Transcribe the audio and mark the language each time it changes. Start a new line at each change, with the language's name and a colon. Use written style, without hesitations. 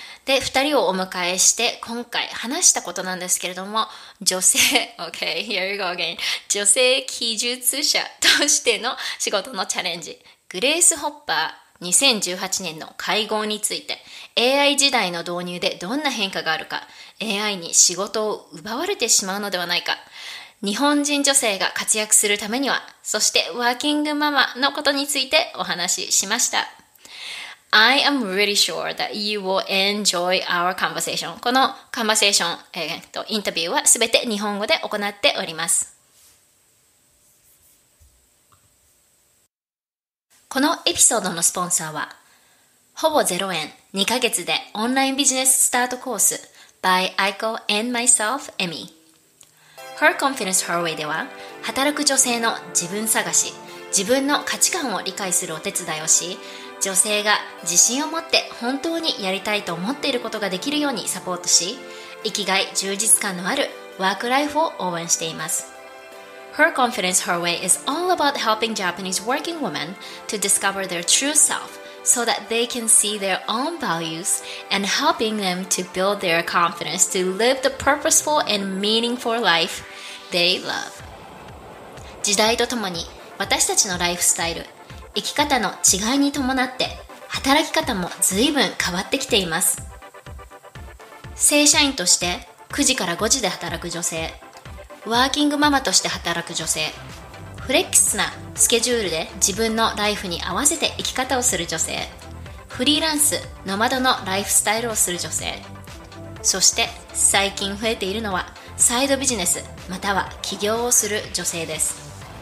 Japanese: で、二人をお迎えして今回話したことなんですけれども、女性、
English: OK, here you go again,
Japanese: 女性技術者としての仕事のチャレンジ、グレースホッパー、2018年の会合について、AI 時代の導入でどんな変化があるか、AI に仕事を奪われてしまうのではないか、日本人女性が活躍するためには、そしてワーキングママのことについてお話ししました。
English: I am really sure that you will enjoy our conversation.
Japanese: このコンバセーション、インタビューはすべて日本語で行っております。このエピソードのスポンサーは、ほぼ0円、2ヶ月でオンラインビジネススタートコース
English: by Aiko and myself, Emi.
Japanese: Her Confidence Her Way では、働く女性の自分探し、自分の価値観を理解するお手伝いをし、女性が自信を持って本当にやりたいと思っていることができるようにサポートし、生きがい、充実感のあるワークライフを応援しています。
English: Her Confidence Her Way is all about helping Japanese working women to discover their true self so that they can see their own values and helping them to build their confidence to live the purposeful and meaningful life they love.
Japanese: 時代とともに、私たちのライフスタイル、生き方の違いに伴って、働き方も随分変わってきています。正社員として9時から5時で働く女性、ワーキングママとして働く女性、フレックスなスケジュールで自分のライフに合わせて生き方をする女性、フリーランス、ノマドのライフスタイルをする女性、そして最近増えているのはサイドビジネスまたは起業をする女性です。